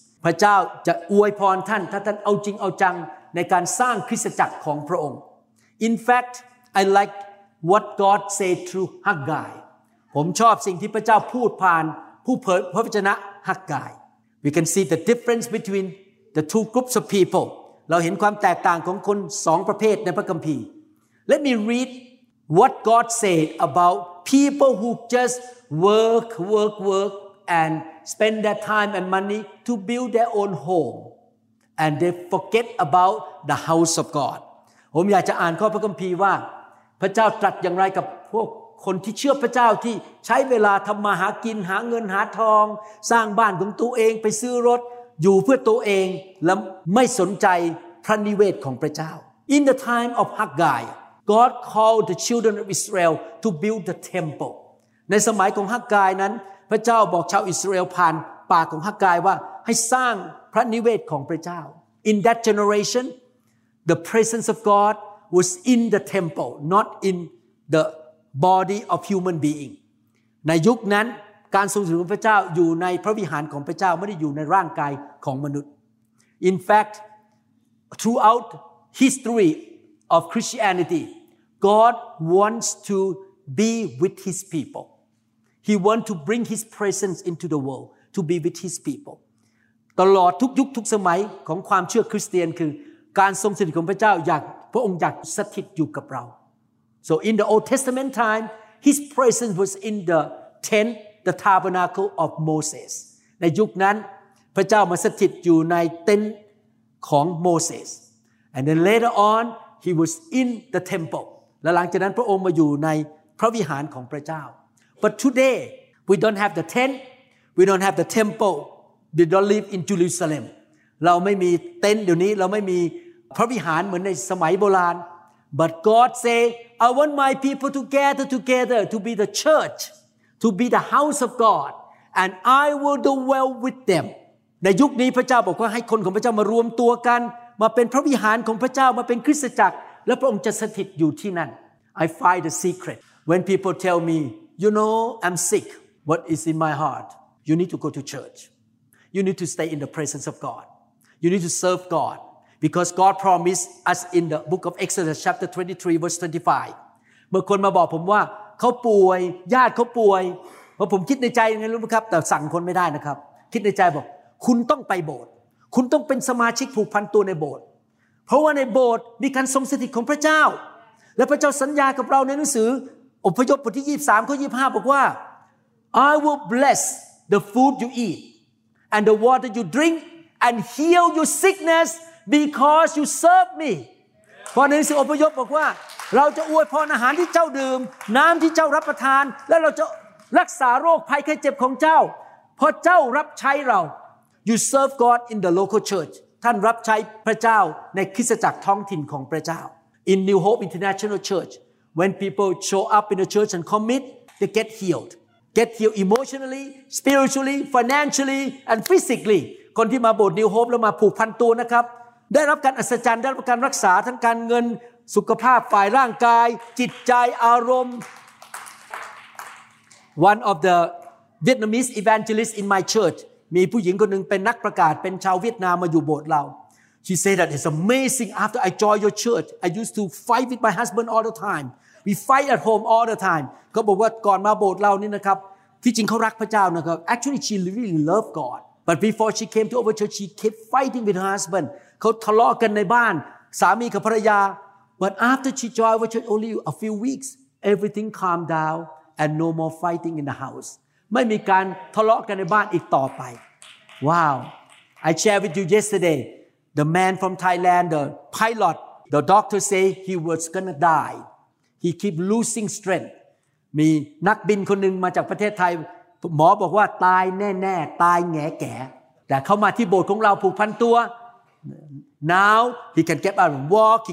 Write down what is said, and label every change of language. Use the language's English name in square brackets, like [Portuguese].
[Thai] พระเจ้าจะอวยพรท่านถ้าท่านเอาจริงเอาจังในการสร้างคริสตจักรของพระองค์ [English] In fact I like what God said through Haggai [Thai] ผมชอบสิ่งที่พระเจ้าพูดผ่านผู้เผยพระวจนะ Haggai [English] We can see the difference between the two groups of people [Thai] เราเห็นความแตกต่างของคน2ประเภทในพระคัมภีร์ [English] Let me read what God said about people who just work work work andspend their time and money to build their own home and they forget about the house of God [Thai] ผมอยากจะอ่านข้อพระคัมภีร์ว่าพระเจ้าตรัสอย่างไรกับพวกคนที่เชื่อพระเจ้าที่ใช้เวลาทํามาหากินหาเงินหาทองสร้างบ้านของตัวเองไปซื้อรถอยู่เพื่อตัวเองและไม่สนใจพระนิเวศของพระเจ้า [English] In the time of Haggai God called the children of Israel to build the temple [Thai] ในสมัยของฮักกายนั้นพระเจ้าบอกชาวอิสราเอลผ่านปากของฮักกายว่าให้สร้างพระนิเวศของพระเจ้า [English] In that generation the presence of God was in the temple not in the body of human being [Thai] ในยุคนั้นการทรงสถิตของพระเจ้าอยู่ในพระวิหารของพระเจ้าไม่ได้อยู่ในร่างกายของมนุษย์ [English] In fact throughout history of Christianity God wants to be with his peopleHe wants to bring his presence into the world to be with his people. [Thai] ตลอดทุกยุคทุกสมัยของความเชื่อคริสเตียนคือการทรงสถิตของพระเจ้าอยากพระองค์อยากสถิตอยู่กับเรา [English] So in the Old Testament time, his presence was in the tent, the tabernacle of Moses. [Thai] ในยุคนั้นพระเจ้ามาสถิตอยู่ในเต็นท์ของโมเสส [English] And then later on, he was in the temple. [Thai] และหลังจากนั้นพระองค์มาอยู่ในพระวิหารของพระเจ้า [English] But today, we don't have the tent, we don't have the temple, we don't live in Jerusalem. [Thai] เราไม่มีเต็นท์เดี๋ยวนี้เราไม่มีพระวิหารเหมือนในสมัยโบราณ [English] But God say, I want my people to gather together to be the church, to be the house of God, and I will do well with them. [Thai] ในยุคนี้พระเจ้าบอกว่าให้คนของพระเจ้ามารวมตัวกันมาเป็นพระวิหารของพระเจ้ามาเป็นคริสตจักรและพระองค์จะสถิตอยู่ที่นั่น [English] I find the secret when people tell meYou know, I'm sick. What is in my heart? You need to go to church. You need to stay in the presence of God. You need to serve God. Because God promised us in the book of Exodus, chapter 23, verse 25. [Thai] เมื่อคนมาบอกผมว่าเขาป่วยญาติเขาป่วยพอผมคิดในใจยังไงรู้ไหมครับแต่สั่งคนไม่ได้นะครับคิดในใจบอกคุณต้องไปโบสถ์คุณต้องเป็นสมาชิกผูกพันตัวในโบสถ์เพราะว่าในโบสถ์มีการทรงสถิตของพระเจ้าและพระเจ้าสัญญากับเราในหนังสืออพยพบทที่23ข้อ25บอกว่า [English] I will bless the food you eat and the water you drink and heal your sickness because you serve me [Thai] พอในสิอพยพบอกว่าเราจะอวยพรอาหารที่เจ้าดื่มน้ำที่เจ้ารับประทานและเราจะรักษาโรคภัยไข้เจ็บของเจ้าเพราะเจ้ารับใช้เรา [English] You serve God in the local church [Thai] ท่านรับใช้พระเจ้าในคริสตจักรท้องถิ่นของพระเจ้า [English] In New Hope International ChurchWhen people show up in the church and commit, they get healed emotionally, spiritually, financially, and physically. [Thai] คนที่มาโบสถ์ New Hope แล้วมาผูกพันตัวนะครับได้รับการอัศจรรย์ได้รับการรักษาทั้งการเงินสุขภาพฝ่ายร่างกายจิตใจอารมณ์ [English] One of the Vietnamese evangelists in my church [Thai] มีผู้หญิงคนหนึ่งเป็นนักประกาศเป็นชาวเวียดนามมาอยู่โบสถ์เรา [English] She said that it's amazing after I joined your church. I used to fight with my husband all the time. We fight at home all the time. [Thai] ก็บอกว่าก่อนมาโบสถ์เรานี่นะครับที่จริงเขารักพระเจ้านะครับ [English] Actually she really love God. But before she came to our church she kept fighting with her husband. [Thai] เขาทะเลาะกันในบ้านสามีกับภรรยา [English] But after she joined our church only a few weeks everything calmed down and no more fighting in the house. [Thai] ไม่มีการทะเลาะกันในบ้านอีกต่อไป Wow. [English] I shared with you yesterday the man from Thailand the pilot the doctor say he was going to die. He keep losing strength. [Thai] มีนักบินคนหนึ่งมาจากประเทศไทยหมอบอกว่าตายแน่ๆตายแง่แก่แต่เข้ามาที่โบสถ์ของเราผูกพันตัว [English] Now he can get up and walk.